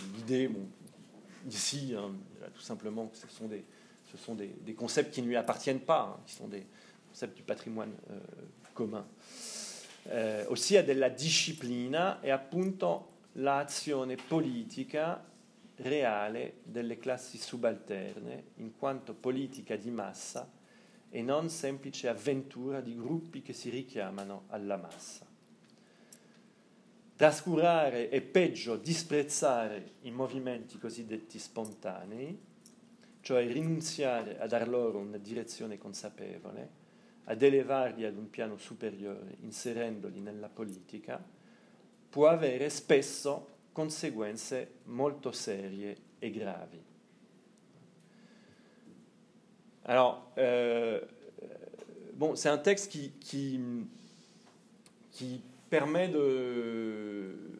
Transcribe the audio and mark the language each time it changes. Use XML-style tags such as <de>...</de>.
<fr>L'idée, bon, ici, hein, tout simplement, que ce sont des concepts qui ne lui appartiennent pas, hein, qui sont des concepts du patrimoine commun.</fr> <it>Aussi, a della disciplina e appunto l'azione politica reale delle classi subalterne in quanto politica di massa e non semplice avventura di gruppi che si richiamano alla massa. Trascurare e peggio disprezzare i movimenti cosiddetti spontanei, cioè rinunziare a dar loro una direzione consapevole, ad elevarli ad un piano superiore inserendoli nella politica, può avere spesso conseguenze molto serie e gravi.</it> <fr>Alors, bon, c'est un texte qui permet de</fr>